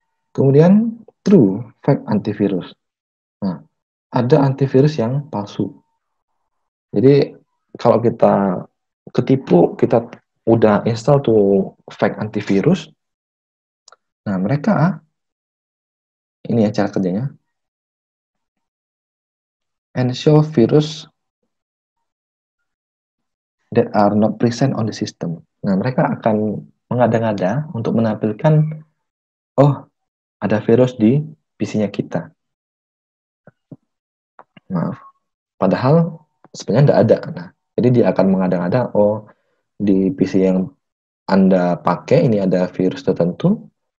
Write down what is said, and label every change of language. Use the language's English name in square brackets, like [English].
[Indonesian] Kemudian true fake antivirus. Nah, ada antivirus yang palsu. Jadi kalau kita ketipu, kita udah install tuh fake antivirus. Nah, mereka ini ya cara kerjanya. [English] Ensure virus that are not present on the system. [Indonesian] Nah, mereka akan mengada-ngada untuk menampilkan oh, ada virus di PC-nya kita. Maaf. Padahal sebenarnya enggak ada. Nah, jadi dia akan mengada-ngada oh, di PC yang Anda pakai ini ada virus tertentu.